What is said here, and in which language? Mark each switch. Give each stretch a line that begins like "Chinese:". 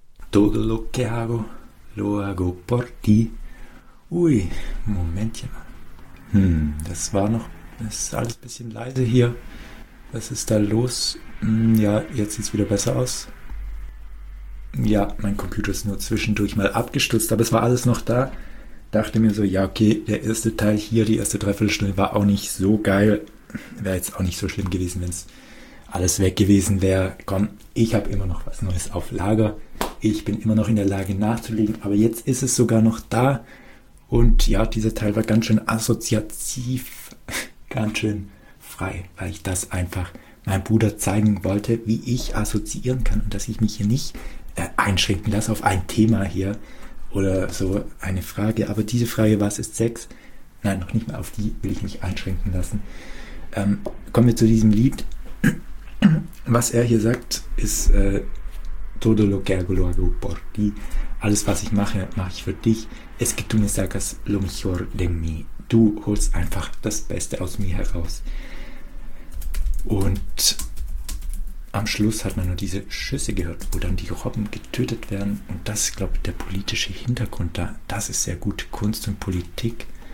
Spanish: Todo lo que hago, lo hago por ti.
German: Ui, Momentchen. Das war noch, das ist alles ein bisschen leise hier. Was ist da los? Ja, jetzt sieht es wieder besser aus. Ja, mein Computer ist nur zwischendurch mal abgestürzt, aber es war alles noch da. Dachte mir so, ja okay, der erste Teil hier, die erste Dreiviertelstunde war auch nicht so geil. Wäre jetzt auch nicht so schlimm gewesen, wenn es alles weg gewesen wäre. Komm, ich habe immer noch was Neues auf Lager. Ich bin immer noch in der Lage nachzulegen, aber jetzt ist es sogar noch da. Und ja, dieser Teil war ganz schön assoziativ, ganz schön frei, weil ich das einfach meinem Bruder zeigen wollte, wie ich assoziieren kann und dass ich mich hier nicht einschränken lasse auf ein Thema hier oder so eine Frage. Aber diese Frage, was ist Sex? Nein, noch nicht mal auf die will ich mich einschränken lassen. Kommen wir zu diesem Lied. Was er hier sagt, ist...
Spanish: Todo lo que hago lo hago por ti.
German: Alles, was ich mache, mache ich für dich.
Spanish: Es que tú me sacas lo mejor de mí.
German: Du holst einfach das Beste aus mir heraus. Und am Schluss hat man nur diese Schüsse gehört, wo dann die Robben getötet werden. Und das, glaube ich, der politische Hintergrund da. Das ist sehr gut. Kunst und Politik.